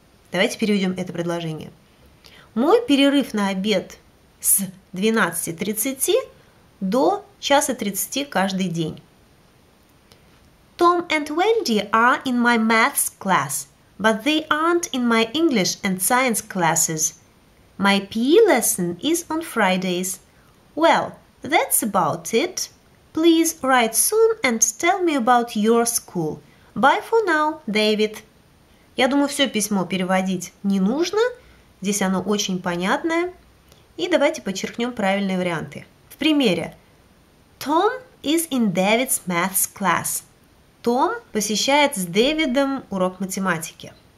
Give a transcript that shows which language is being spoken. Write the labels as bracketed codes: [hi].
[ru] Давайте переведем это предложение. Мой перерыв на обед с 12:30 до 1:30 каждый день. [en] Tom and Wendy are in my maths class, but they aren't in my English and science classes. My PE lesson is on Fridays. Well, that's about it. Please write soon and tell me about your school. Bye for now, David. [ru] Я думаю, все письмо переводить не нужно. Здесь оно очень понятное. И давайте подчеркнем правильные варианты. В примере. [en] Tom is in David's maths class. [ru] Том посещает с Дэвидом урок математики.